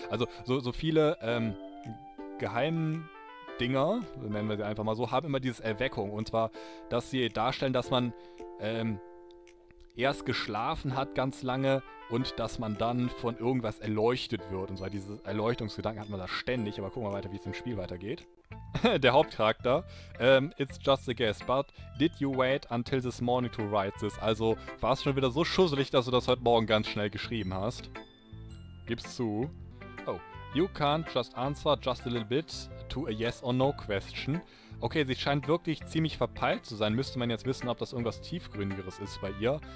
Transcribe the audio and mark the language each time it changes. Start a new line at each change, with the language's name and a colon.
German: Also, so viele geheimen Dinger, nennen wir sie einfach mal so, haben immer dieses Erweckung. Und zwar, dass sie darstellen, dass man erst geschlafen hat ganz lange und dass man dann von irgendwas erleuchtet wird. Und zwar dieses Erleuchtungsgedanken hat man da ständig. Aber gucken wir weiter, wie es im Spiel weitergeht. Der Hauptcharakter.
English: It's just a guess, but did you wait until this morning to write this?
German: Also, war es schon wieder so schusselig, dass du das heute Morgen ganz schnell geschrieben hast? Gib's zu. Oh.
English: You can't just answer just a little bit to a yes or no question.
German: Okay, sie scheint wirklich ziemlich verpeilt zu sein. Müsste man jetzt wissen, ob das irgendwas Tiefgründigeres ist bei ihr.